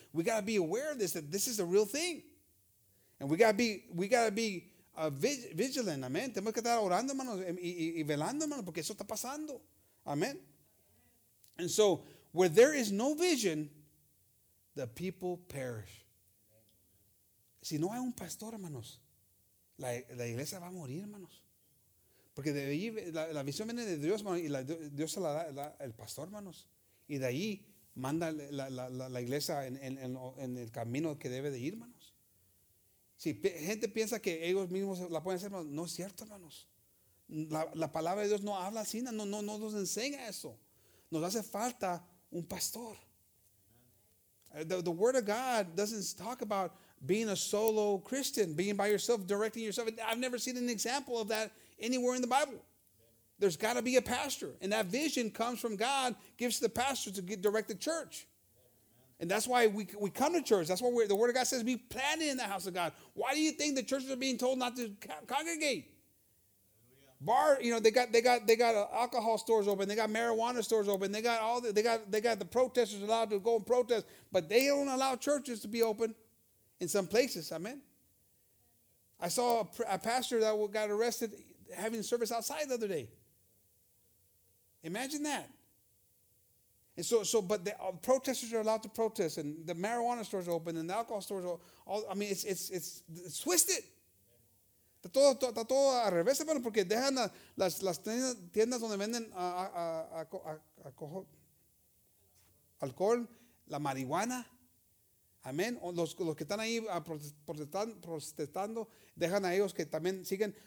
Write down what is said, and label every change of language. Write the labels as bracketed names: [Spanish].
[English] We got to be aware of this, that this is a real thing. And we got to be vigilant. Amen. [Spanish] Tenemos que estar orando, hermanos, y velando, hermanos, porque eso está pasando. Amen. [English] And so where there is no vision, the people perish. [Spanish] Si no hay un pastor, hermanos, la iglesia va a morir, hermanos. Porque de ahí la visión viene de Dios, hermanos, y Dios se la da el pastor, hermanos. Y de ahí manda la iglesia en el camino que debe de ir, hermanos. Si gente piensa que ellos mismos la pueden hacer, hermanos, no es cierto, hermanos. La palabra de Dios no habla así, no nos enseña eso. Nos hace falta un pastor. [English] The word of God doesn't talk about being a solo Christian, being by yourself, directing yourself. I've never seen an example of that anywhere in the Bible. There's got to be a pastor. And that vision comes from God, gives the pastor to direct the church. And that's why we come to church. That's why the word of God says be planted in the house of God. Why do you think the churches are being told not to congregate? Bar, you know, they got alcohol stores open, they got marijuana stores open, they got the protesters allowed to go and protest, but they don't allow churches to be open in some places. Amen. I saw a pastor that got arrested having service outside the other day. Imagine that. And but the protesters are allowed to protest, and the marijuana stores are open, and the alcohol stores are all. I mean, it's twisted. [Spanish] Está todo al revés, hermano, porque dejan las tiendas donde venden alcohol, la marihuana, amén. Los que están ahí protestando, dejan a ellos que también siguen.